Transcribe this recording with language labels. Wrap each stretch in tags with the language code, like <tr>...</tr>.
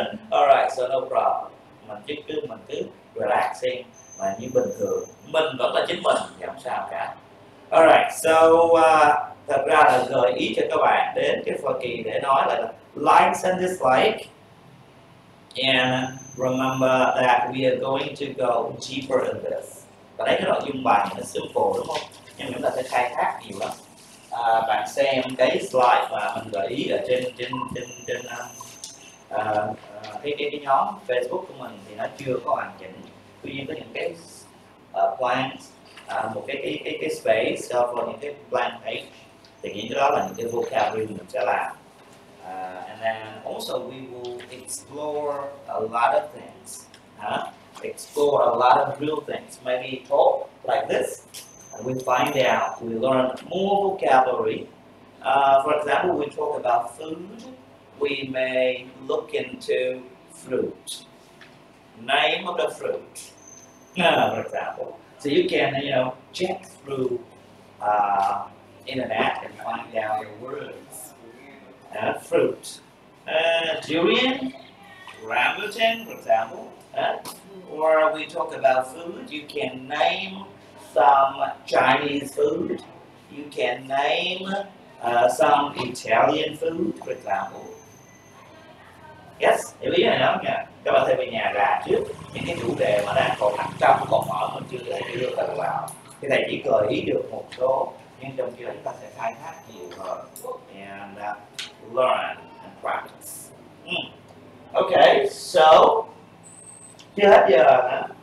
<en>Alright, so no problem.</en> <vi>Mình cứ relaxing và như bình thường. Mình vẫn là chính mình, không sao cả.</vi> <en>Alright, so</en> <vi>thật ra là gợi ý cho các bạn đến cái phần kỳ để nói là likes and dislikes.</vi> <en>And remember that we are going to go deeper in this.</en> <vi>Và đấy cái nội dung bài nó simple đúng không? Nhưng chúng ta sẽ khai thác nhiều lắm. Bạn xem cái slide mà mình gợi ý ở trên cái nhóm Facebook của mình thì nó chưa có hoàn chỉnh. Tuy nhiên có những cái plans, một cái space so for những cái blank page. Thì những cái đó là những cái vocabulary mình sẽ làm.</vi> <en>And then also we will explore a lot of things. Explore a lot of real things. Maybe talk like this. And we find out, we learn more vocabulary. For example, we talk about food. We may look into fruit. Name of the fruit. For example. So you can, you know, check through internet and find out the words. Fruit. Durian, rambutan, for example. Or we talk about food, you can name some Chinese food. You can name some Italian food, for example.</en> <vi>Yes, hiểu ý này lắm nha. Các bạn thêm về nhà ra trước những cái chủ đề mà đang còn hẳn trăm, còn mở mình chưa thể đưa được vào. Cái này chỉ gợi ý được một số, nhưng trong kia chúng ta sẽ khai thác nhiều hơn.</vi> <en>And learn and practice. Okay, so</en> <vi>chưa hết giờ hả?</vi>